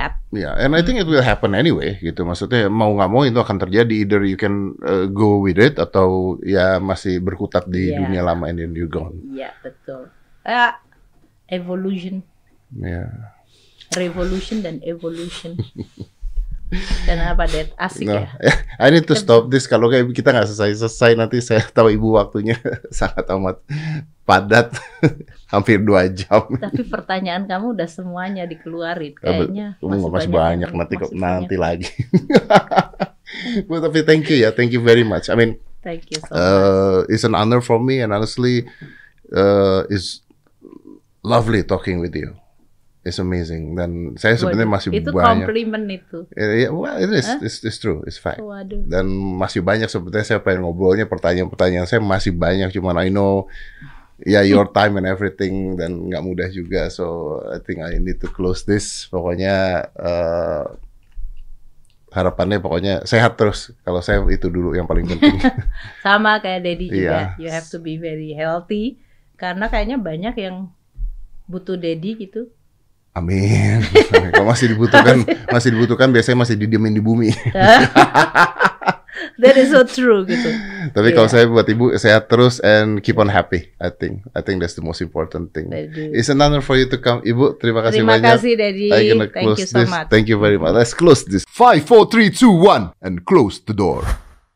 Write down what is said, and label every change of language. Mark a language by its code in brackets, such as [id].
[en] Yeah, and I think it will happen anyway gitu. [id] Maksudnya mau enggak mau itu akan terjadi. [en] Either you can go with it [id] atau ya masih berkutat di dunia lama [en] and then you're gone. [id] Iya, yeah, betul. Evolution. Revolution dan evolution. Dan apa, Dad? Asik ya? [en] I need to stop this. [id] Kalau kayak kita gak selesai-selesai, nanti saya tahu ibu waktunya sangat amat padat. Hampir 2 jam. Tapi pertanyaan kamu udah semuanya dikeluarin. Kayaknya masih banyak. Nanti lagi. Tapi [en] thank you [id] ya. [en] Thank you very much. I mean, thank you so much. It's an honor for me. And honestly, it's lovely talking with you. It's amazing. [id] Dan saya sebenarnya masih itu banyak. Itu compliment itu. [en] It's true. It's fact. [id] Waduh. Dan masih banyak sebetulnya saya pengen ngobrolnya pertanyaan-pertanyaan saya masih banyak. Cuman [en] I know your time and everything [id] dan nggak mudah juga. [en] So I think I need to close this. [id] Pokoknya harapannya pokoknya sehat terus. Kalau saya itu dulu yang paling penting. Sama kayak Daddy juga. [en] You have to be very healthy. [id] Karena kayaknya banyak yang butuh Dedi gitu. Amin. Kalau masih dibutuhkan, masih dibutuhkan biasanya masih didiemin di bumi. [en] That is so true gitu. [id] Tapi kalau saya buat ibu sehat terus [en] and keep on happy, I think that's the most important thing. Daddy. It's an honor for you to come, ibu. [id] Terima kasih terima banyak. Terima kasih Dedi. [en] Thank you so much. Thank you very much. Let's close this. 5, 4, 3, 2, 1 and close the door.